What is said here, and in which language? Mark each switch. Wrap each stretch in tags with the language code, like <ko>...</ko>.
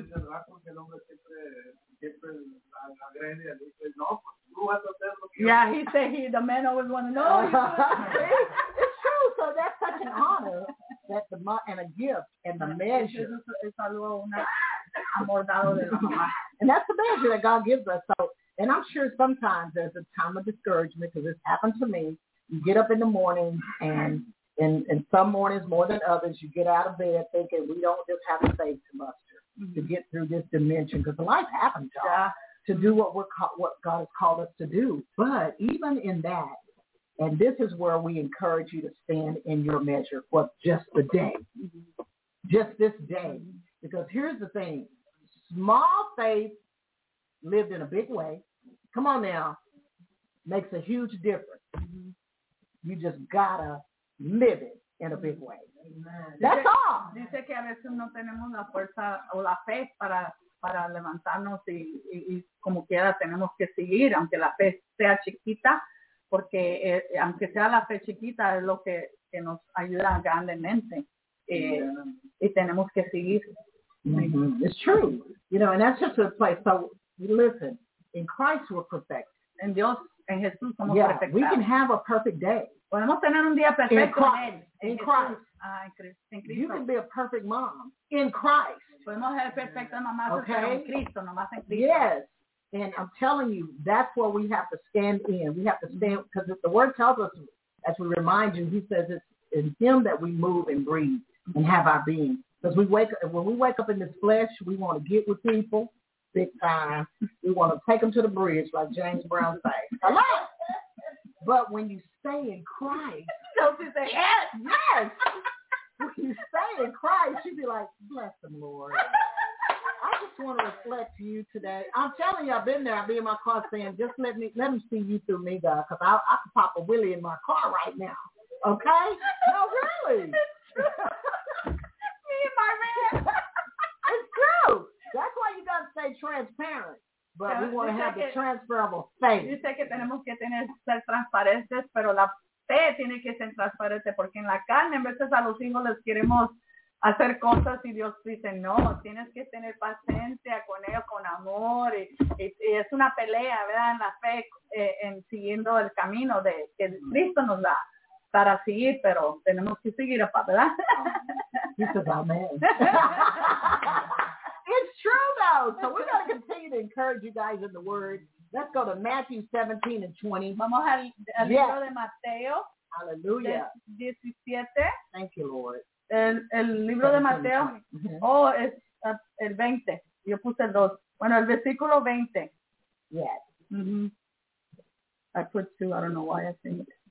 <es>Es verdad, porque el hombre siempre agrede y dice, no, pues tú vas a hacer lo que...</es> <en>Yeah, the man always want to know. It's true, so that's such an honor, that the and a gift, and the measure.</en> <es>Es algo, un amor dado de la mamá.</es> <en>And that's the measure that God gives us, so... And I'm sure sometimes there's a time of discouragement, because this happened to me. You get up in the morning, and some mornings more than others, you get out of bed thinking, we don't just have the faith to muster to get through this dimension, because life happens, y'all, to do what God has called us to do. But even in that, and this is where we encourage you to stand in your measure for just the day, just this day, because here's the thing, small faith lived in a big way, come on now, makes a huge difference. You just gotta live it in a big way. Amen. That's all.</en> <es>Dice que a veces no tenemos la fuerza o la fe para levantarnos y como quiera tenemos que seguir, aunque la fe sea chiquita, porque aunque sea la fe chiquita es lo que nos ayuda grandemente. Y tenemos que seguir.</es> <en>Mm-hmm. It's true. You know, and that's just a place. So, listen, in Christ we're perfect.</en> <es>En Dios, en Jesús somos</es> <en>perfectos. We can have a perfect day.</en> <es>Podemos tener un día perfecto en Christ. En Christ. En Cristo.</es> <en>You can be a perfect mom in Christ.</en> <es>Podemos ser perfecta mamá en Cristo, nomás en Cristo.</es> <en>Yes, and I'm telling you, that's what we have to stand in. We have to stand, because the word tells us, as we remind you, he says it's in him that we move and breathe and have our being. Because when we wake up in this flesh, we want to get with people. Big time. We want to take them to the bridge, like James Brown say. Hello. But when you stay in Christ, don't you say yes? Yes. When you stay in Christ, you'd be like, bless them, Lord. I just just want to reflect to you today. I'm telling you, I've been there. I'll be in my car saying, just let me see you through me, God, because I could pop a willy in my car right now. Okay? No, really. Me and my man. It's true. That's why you got to stay transparent. But we want to have the transfer of a faith. You say</en> <es>que tenemos que tener ser transparentes, pero la fe tiene que ser transparente, porque en la carne, en veces a los hijos les queremos hacer cosas y Dios dice, no, tienes que tener paciencia con ellos, con amor, y es una pelea, ¿verdad?, en la fe, en siguiendo el camino de que Cristo nos da para seguir, pero tenemos que seguir, ¿verdad? Dice, amén.</es> <en>It's true, though. So we're going to continue to encourage you guys in the Word. Let's go to Matthew 17 and 20.</en> <es>Vamos al libro de Mateo. Aleluya. 17.</es> <en>Thank you, Lord.</en> <es>El libro de Mateo, es el 20, yo puse el 2. Bueno, el versículo 20.</es> <en>Yes. Mm-hmm. I put 2, I don't know why I think.</en>